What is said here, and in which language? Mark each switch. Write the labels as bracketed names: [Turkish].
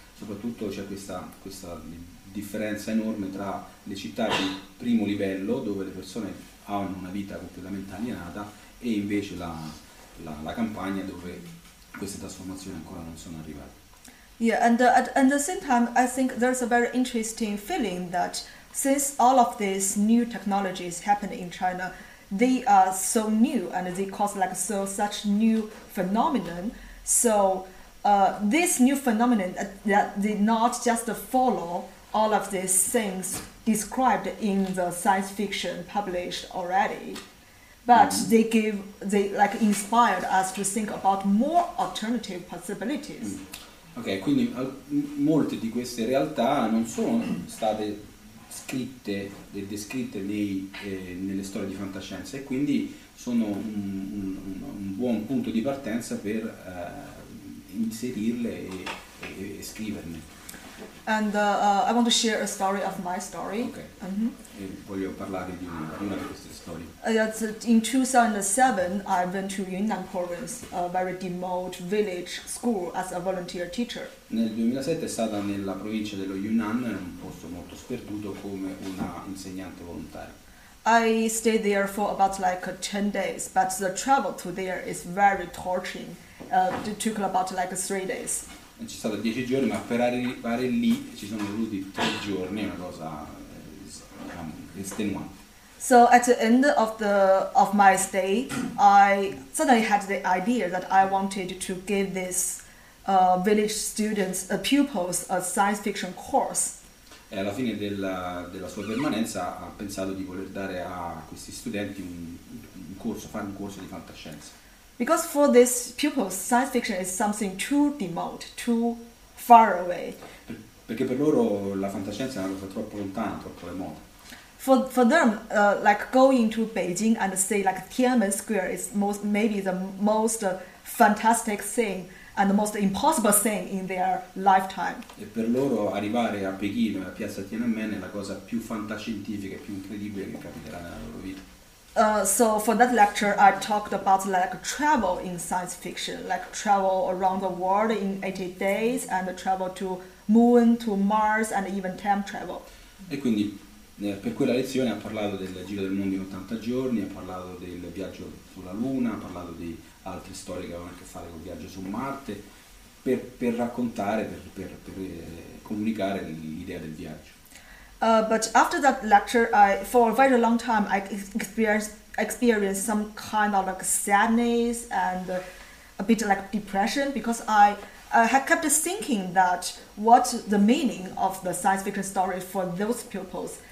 [Italian] Soprattutto c'è questa differenza enorme tra le città di primo livello, dove le persone hanno una vita completamente alienata, e invece la campagna, dove queste trasformazioni ancora non sono arrivate. [English] Yeah, and at the same time, I think there's a very interesting feeling that since all of these new technologies happened in China, they are so new and they cause such new phenomenon. So this new phenomenon that did not just follow all of these things described in the science fiction published already, but they inspired us to think about more alternative possibilities. Mm. [Italian] Ok, quindi molte di queste realtà non sono state scritte e descritte nelle storie di fantascienza, e quindi sono un buon punto di partenza per inserirle e scriverne. [English] And I want to share a story of my story. Okay. Mm-hmm. [Italian] E voglio parlare di una di queste storie. [English] In 2007, I went to Yunnan Province, a very remote village school, as a volunteer teacher. [Italian] Nel 2007 è stata nella provincia dello Yunnan, un posto molto sperduto, come una insegnante volontaria. [English] I stayed there for about 10 days, but the travel to there is very torturing. It took about 3 days. [Italian] Ci sono stati 10 giorni, ma per arrivare lì ci sono voluti 3 giorni, una cosa estenuante. [English] So at the end of my stay, I suddenly had the idea that I wanted to give this village students, pupils, a science fiction course. [Italian] E alla fine della sua permanenza ha pensato di voler dare a questi studenti fare un corso di fantascienza. [English] Because for these pupils, science fiction is something too remote, too far away. [Italian] Perché per loro la fantascienza è una cosa troppo lontana, troppo remota. [English] For them, going to Beijing and say Tiananmen Square is maybe the most fantastic thing and the most impossible thing in their lifetime. [Italian] E per loro arrivare a Pechino e a Piazza Tiananmen è la cosa più fantascientifica e più incredibile che capiterà nella loro vita. [English] So for that lecture, I talked about travel in science fiction, travel around the world in 80 days, and travel to Moon, to Mars, and even time travel. [Italian] E quindi per quella lezione ha parlato del giro del mondo in 80 giorni, ha parlato del viaggio sulla Luna, ha parlato di altre storie che avevano a che fare con il viaggio su Marte, per raccontare, per comunicare l'idea del viaggio. [English] But after that lecture, for a very long time, I experienced some kind of sadness and a bit depression, because I had kept thinking that what's the meaning of the science fiction story for those pupils?